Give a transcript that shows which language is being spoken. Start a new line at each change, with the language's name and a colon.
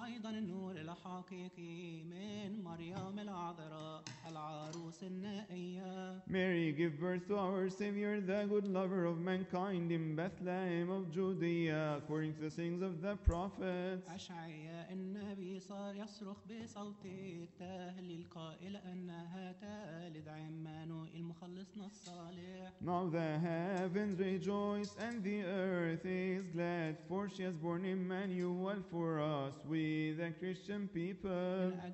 Arabic: النور الحقيقي من مريم العذراء العروس النائية.
English: Mary give birth to our Savior, the good lover of mankind, in Bethlehem of Judea, according to the sayings of the prophets.
Arabic: أشعياء النبي صار يصرخ بصوت التهليل قائل أنها تالد عمانوئيل مخلصنا الصالح.
English: Now the heavens rejoice and the earth is glad, for she has borne Emmanuel for us with the Christian people.